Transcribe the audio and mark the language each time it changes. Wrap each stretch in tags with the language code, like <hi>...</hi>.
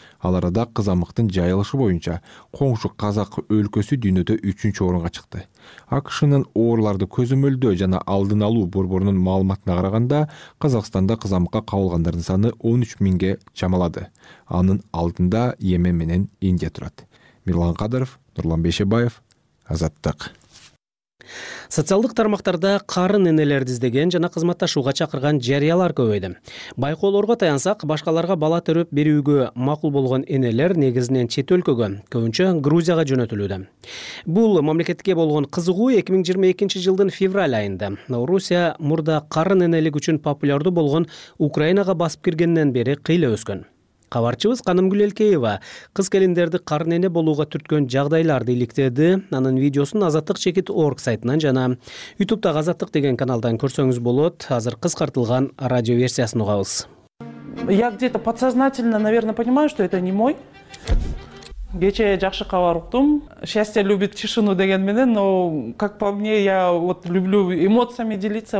<ky>Ал арада кызамыктын жайылышы боюнча коңшу казак өлкөсү дүйнөдө 3-чү орунга чыкты. АКШ-нын ооруларды көзөмөлдөө жана алдын алуу борборунун маалыматына караганда, Казакстанда кызамыкка кабылгандардын саны 13 миңге чамалады. Анын алдында Йемен менен Индия турат. Мирлан Кадыров, Нурлан Бешебаев, Азаттык. Социалдык тармактарда карын энелерди издеген жана кызматташууга чакырган жарыялар көбөйдү. Байкоолорго таянсак, башкаларга бала төрөп берүүгө макул болгон энелер негизинен чет өлкөгө, көбүнчө Грузияга жөнөтүлүүдө. Бул мамлекетке болгон кызыгуу 2022 жылдын февраль айында. Орусия мурда карын энелик үчүн популярдуу болгон Украинага басып киргенден бери кыйла өскөн. Кабарчыбыз Канымгүл Элкеева кыз келиндерди карын эне болууга түрткөн жагдайларды иликтеди. Анын видеосун Азаттык чекит орг сайтынан жана YouTube'дагы Азаттык деген каналдан көрсөңүз болот. Азыр кыскартылган радио версиясын угабыз.</ky> <ru>Я где-то подсознательно, наверное, понимаю, что это не мой.</ru> <ky>Кече жакшы кабар уктум.</ky> <ru>Счастье любит тишину</ru> <ky>деген менен,</ky> <ru>но как по мне, я вот люблю эмоциями делиться.</ru>